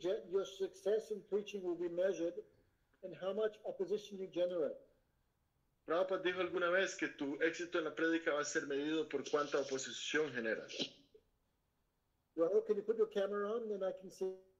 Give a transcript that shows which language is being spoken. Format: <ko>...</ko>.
<en>Your success in preaching will be measured in how much opposition you generate.</en> <es>Prabhupada dijo alguna vez que tu éxito en la prédica va a ser medido por cuánta oposición generas.</es> <en>Well, can you put your camera on, then I can see.</en>